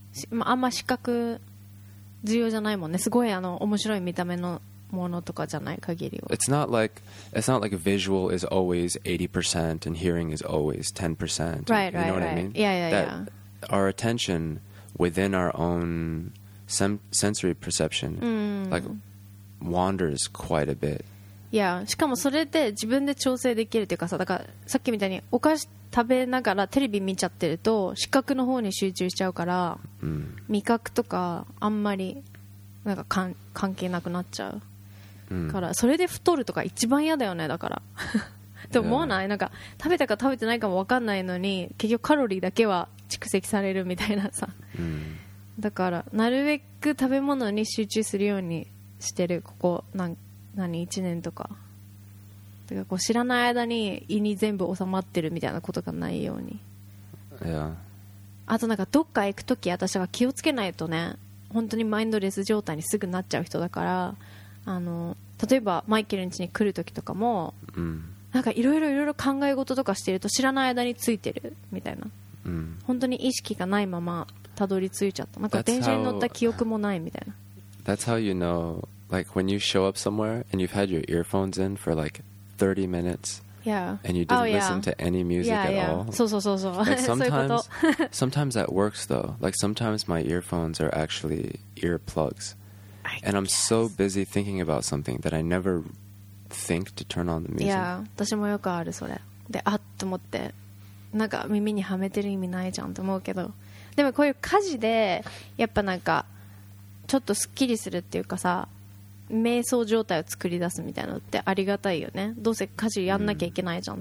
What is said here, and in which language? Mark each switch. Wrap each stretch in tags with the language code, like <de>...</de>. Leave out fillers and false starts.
<ja>まあんま視覚重要じゃないもんね。すごいあの面白い見た目のものとかじゃない限りは。</ja> <en>It's not like visual is always 80% and hearing is always 10%. Right, right, you know what right. I mean? Yeah, yeah, that yeah. Our attention within our own sensory perception, like wanders quite a bit. Yeah,</en> <ja>しかもそれで自分で調整できるっていうかさ、だからさっきみたいにお菓子食べながらテレビ見ちゃってると視覚の方に集中しちゃうから、味覚とかあんまりなんか関係なくなっちゃう。からそれで太るとか一番嫌だよね、だからと思わない、なんか食べたか食べてないかも分かんないのに結局カロリーだけは蓄積されるみたいなさ、だからなるべく食べ物に集中するようにしてる、ここ何1年とか、だからこう知らない間に胃に全部収まってるみたいなことがないように。いや、あとなんかどっか行くとき私は気をつけないとね、本当にマインドレス状態にすぐなっちゃう人だから、あの例えばマイケルの家に来るときとかも、なんかいろいろ考え事とかしてると知らない間についてるみたいな、本当に意識がないままたどり着いちゃった、なんか電車に乗った記憶もないみたいな。</ja> <en>That's how you know like when you show up somewhere and you've had your earphones in for like 30 minutes. Yeah. And you didn't listen to any music at all.</en> <ja>そうそうそうそう.</ja> <en>Like sometimes, sometimes that works though. Like sometimes my earphones are actually earplugs. And I'm so busy thinking about something that I never think to turn on the music. Yeah,</en> <ja>私もよくあるそれ。で、あっと思って、なんか耳にはめてる意味ないじゃんと思うけど。でもこういう家事で、やっぱなんか、ちょっとすっきりするっていうかさ、瞑想状態を作り出すみたいなのってありがたいよね。どうせ家事やんなきゃいけないじゃん。</ja>